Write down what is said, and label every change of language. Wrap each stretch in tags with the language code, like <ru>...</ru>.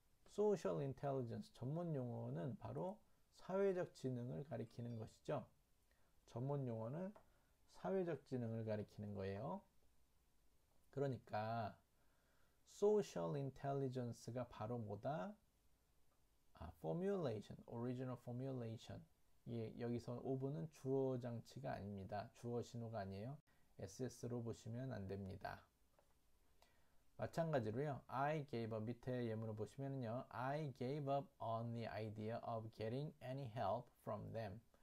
<ko>Social intelligence, 전문용어는 바로 사회적 지능을 가리키는 것이죠. 전문용어는 사회적 지능을 가리키는 거예요. 그러니까 Social intelligence가 바로 뭐다?</ko> <en>아, formulation, original formulation.</en> <ko>예, 여기서 5부는 주어 장치가 아닙니다. 주어 신호가 아니에요. SS로 보시면 안 됩니다. 마찬가지로요.</ko> <en>I gave up</en> <ko>밑에 예문을 보시면은요.</ko> <en>I gave up on the idea of getting any help from them.</en>